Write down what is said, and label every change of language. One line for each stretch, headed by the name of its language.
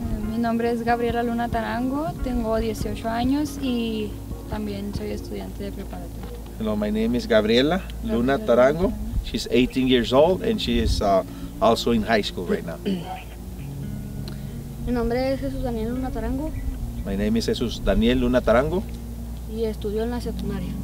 Spanish: Mi nombre es Gabriela Luna Tarango. Tengo 18 años y también soy estudiante de preparatoria.
English: Hello, my name is Gabriela Luna Tarango. She's 18 years old and she is also in high school right now.
Spanish: Mi nombre es Jesús Daniel Luna Tarango.
English: My name is Jesús Daniel Luna Tarango.
Spanish: Y estudio en la secundaria.